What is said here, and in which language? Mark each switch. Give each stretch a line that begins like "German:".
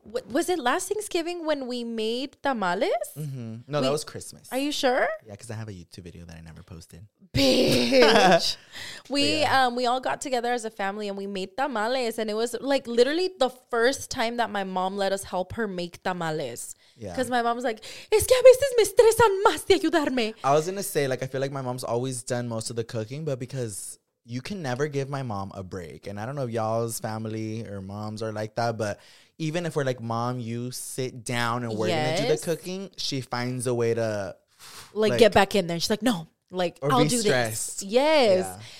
English: Was it last Thanksgiving when we made tamales? Mm-hmm. No, that was Christmas. Are you sure? Yeah, because I have a YouTube video that I never posted. Bitch. We all got together as a family and we made tamales. And it was like literally the first time that my mom let us help her make tamales. Yeah.
Spanish: Because my mom's like, es que a veces me estresan más de ayudarme.
English: I was going to say, like, I feel like my mom's always done most of the cooking, but because you can never give my mom a break. And I don't know if y'all's family or moms are like that, but even if we're like, mom, you sit down and we're going to do the cooking, she finds a way to... like, get back in there. She's like, no, like, I'll do stressed. This. Yes. Yeah.